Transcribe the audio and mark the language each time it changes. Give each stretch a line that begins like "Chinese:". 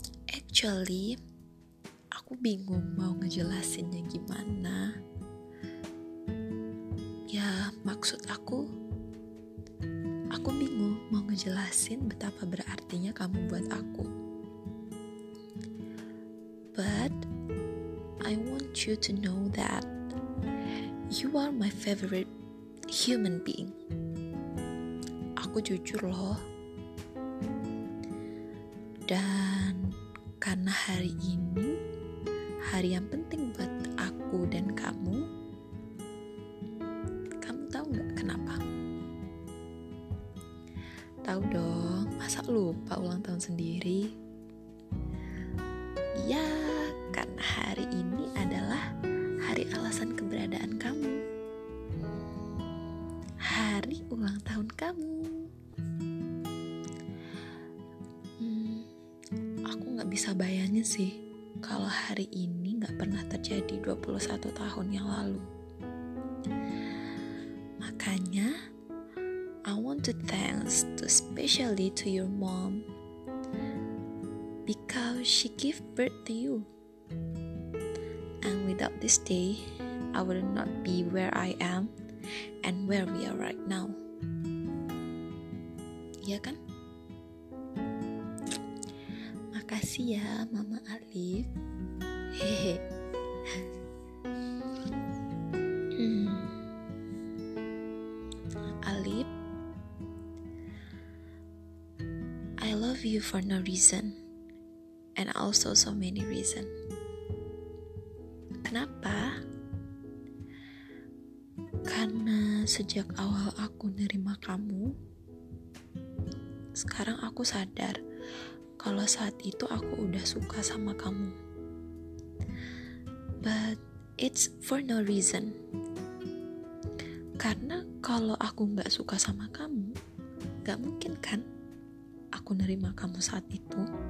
Indonesian: Actually, aku bingung mau ngejelasinnya gimana. Ya, maksud aku bingung mau ngejelasin betapa berartinya kamu buat aku.
English: But I want you to know that you are my favorite human being.
Indonesian: Aku jujur loh. Dan karena hari ini hari yang penting buat aku dan kamu. Kamu tahu gak kenapa? Tahu dong, masa lupa ulang tahun sendiri? Ya, karena hari ini adalah hari alasan keberadaan kamu. Hari ulang tahun kamu. Aku gak bisa bayangin sih kalau hari ini gak pernah terjadi 21 tahun yang lalu.
English: Makanya I want to thanks to especially to your mom, because she give birth to you. And without this day, I would not be where I am and where we are right now. Iya kan?
Indonesian: Makasih ya Mama Alif. Hehehe.
English: Alif, I love you for no reason, and also so many reason.
Indonesian: Kenapa? Karena sejak awal aku nerima kamu, sekarang aku sadar kalau saat itu aku udah suka sama kamu.
English: But it's for no reason.
Indonesian: Karena kalau aku gak suka sama kamu, gak mungkin kan aku nerima kamu saat itu.